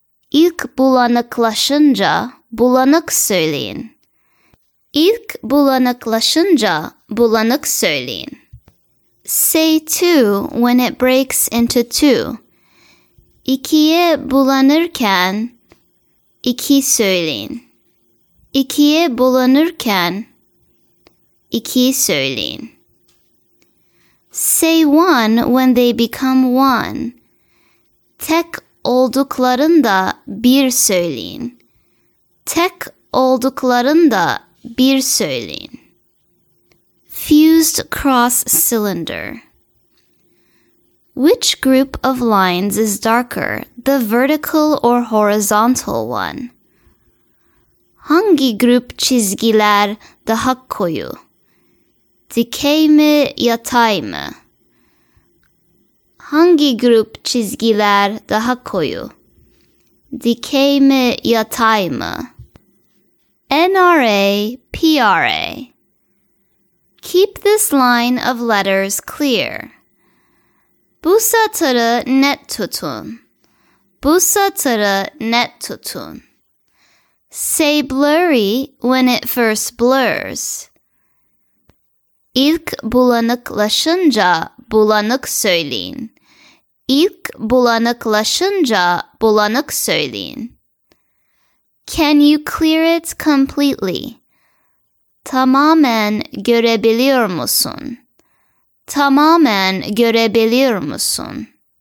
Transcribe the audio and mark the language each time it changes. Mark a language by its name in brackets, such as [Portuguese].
[Turkish] İlk bulanıklaşınca bulanık söyleyin. İlk bulanıklaşınca bulanık söyleyin. [English] Say two when it breaks into two. [Turkish] İkiye bulanırken iki söyleyin. İkiye bulanırken iki söyleyin. [English] Say one when they become one. [Turkish] Tek olduklarında bir söyleyin. Tek olduklarında bir söyleyin. [English] Fused cross cylinder. Which group of lines is darker, the vertical or horizontal one? [Turkish] Hangi grup çizgiler daha koyu? Dikey mi, yatay mı? Hangi grup çizgiler daha koyu? Dikey mi, yatay mı? NRA, PRA. [English] Keep this line of letters clear. [Turkish] Bu satırı net tutun. Bu satırı net tutun. [English] Say blurry when it first blurs. [Turkish] İlk bulanıklaşınca bulanık söyleyin. İlk bulanıklaşınca bulanık söyleyin. [English] Can you clear it completely? [Turkish] Tamamen görebiliyor musun? Tamamen görebiliyor musun?